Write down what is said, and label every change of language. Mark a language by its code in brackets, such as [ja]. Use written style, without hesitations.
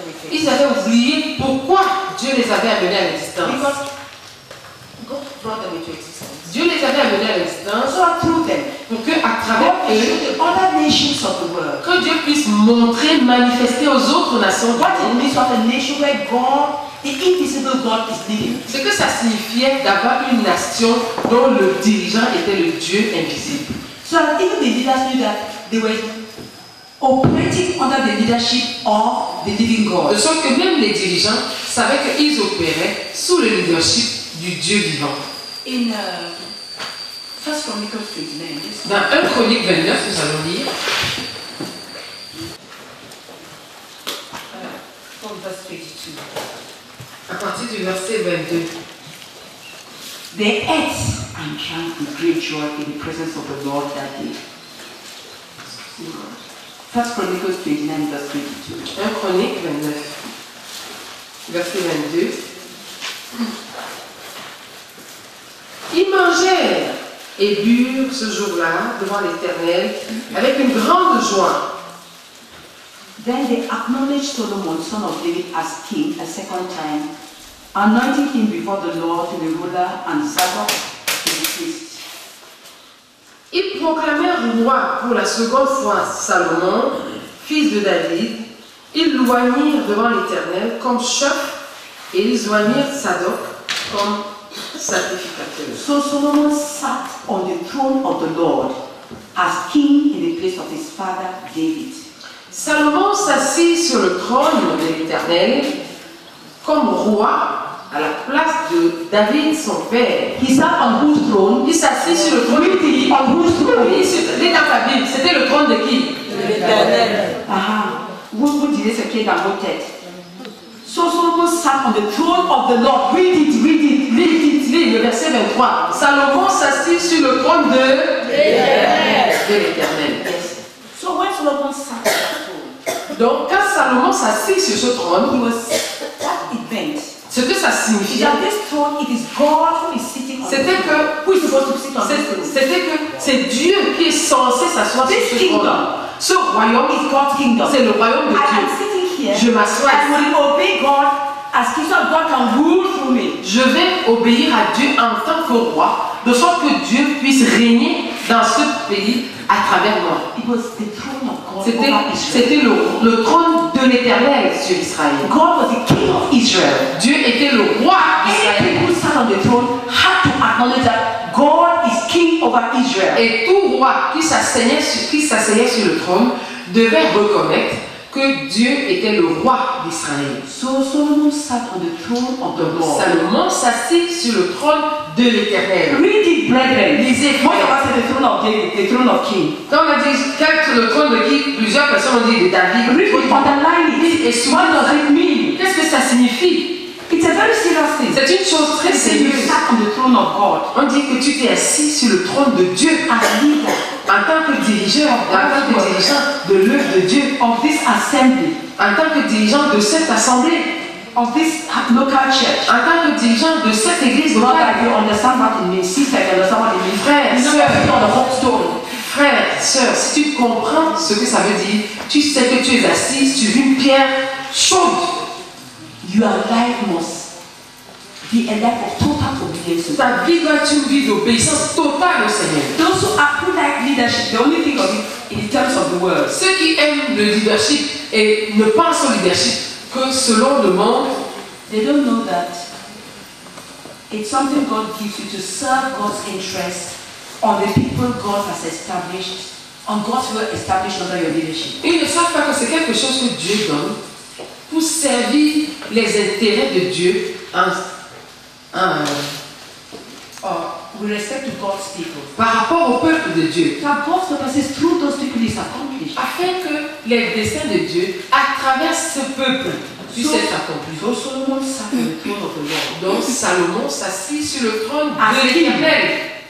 [fr] Ils avaient oublié pourquoi Dieu les avait amenés à l'existence. [en] Because God brought them into existence. [fr] Dieu les avait amenés à l'existence pour que, à travers eux, que Dieu puisse montrer, manifester aux autres nations. [en] What it means of a nation where God, the invisible God, is living. [fr] Ce que ça signifiait d'avoir une nation dont le dirigeant était le Dieu invisible. [en] So that even the leaders knew that they were operating under the leadership of the living God. [fr] De sorte que même les dirigeants savaient qu'ils opéraient sous le leadership du Dieu vivant. [en] In First Chronicles 29. [fr] Dans 1 Chronique 29, nous allons lire. [en] From verse 22. [fr] À partir du verset 22. [en] They ate and drank with great joy in the presence of the Lord that day. 1 Chronicles 29, verse 22. [fr] 1 Chronique 29, verset 22. Ils mangèrent et burent ce jour-là devant l'Éternel avec une grande joie. [en] Then they acknowledged Solomon, son of David, as king a second time, anointing him before the Lord, the ruler, and Zadok, the priest. [fr] Ils proclamèrent roi pour la seconde fois Salomon, fils de David. Ils l'oignirent devant l'Éternel comme chef et ils oignirent Zadok comme sacrificateur. [en] So Solomon sat on the throne of the Lord as king in the place of his father David. [fr] Salomon s'assit sur le trône de l'Éternel comme roi à la place de David, son père. [en] He sat on whose throne? [fr] Il s'assit sur le trône de qui? [en] On whose throne? [fr] Il est dans sa Bible. C'était le trône de qui? L'Éternel. Ah, vous direz ce qui est dans vos têtes. [en] So Solomon sat on the throne of the Lord. Read it. [fr] Le verset 23. Salomon s'assit sur le trône de l'Éternel. [en] So when Solomon sat on the throne? [fr] Donc quand Salomon s'assit sur ce trône, [en] he was that event. [fr] Ce que ça signifie, c'était que c'est Dieu qui est censé s'asseoir [en] this [fr] sur ce [en] kingdom, [fr] trône. Ce royaume [en] is God's kingdom. [fr] C'est le royaume de Dieu. Je m'assois. Je vais obéir à Dieu en tant que roi, de sorte que Dieu puisse régner dans ce pays à travers moi. [en] It was the throne of God. [fr] C'était le trône de l'Éternel sur Israël. [en] God was the king of Israel. [fr] Dieu était le roi d'Israël. [en] Any people sat on the throne had to acknowledge that God is king over Israel. [fr] Et tout roi qui s'asseyait sur le trône devait reconnaître que Dieu était le roi d'Israël. [en] So Solomon sat on the throne of the Lord. [fr] Salomon s'assit sur le trône de l'Éternel. [en] Read it, brethren. [fr] Lisez. Moi, je pense que c'est le trône [en] of David, [fr] le trône [en] of King. [fr] Quand on dit quel est le trône de qui, plusieurs personnes ont dit de David. [en] Read it, underline it. [fr] Et souvent, [en] what does it mean? [fr] Qu'est-ce que ça signifie? [en] It's a very serious thing. [fr] C'est une chose très sérieuse. [en] You sat on the throne of God. [fr] On dit que tu t'es assis sur le trône de Dieu à l'île. En tant que dirigeant de l'œuvre de Dieu, [en] of this assembly, [fr] en tant que dirigeant de cette assemblée, [en] of this local church, [fr] en tant que dirigeant de cette église [en] locale, you understand what it means, sister, you understand what it means, [fr] frère, sœur, si tu comprends ce que ça veut dire, tu sais que tu es assis sur une pierre chaude. [en] Your life must be a life of total obedience. [fr] Ta vie doit être une vie d'obéissance totale au Seigneur. [en] Those who like leadership, they only think of it in terms of the world. [fr] Ceux qui aiment le leadership et ne pensent au leadership que selon le monde, [en] they don't know that it's something God gives you to serve God's interest on the people God has established, on God's will established under your leadership. [fr] Ils ne savent pas que c'est quelque chose que Dieu donne pour servir les intérêts de Dieu [en] with respect to God's people. [fr] Par rapport au peuple de Dieu. [en] That God's purpose is through those people is accomplished. [fr] Afin que les desseins de Dieu à travers ce peuple puissent être accomplis. Donc Salomon s'assit sur le trône de l'Éternel. Donc Salomon s'assit sur le trône de l'Éternel.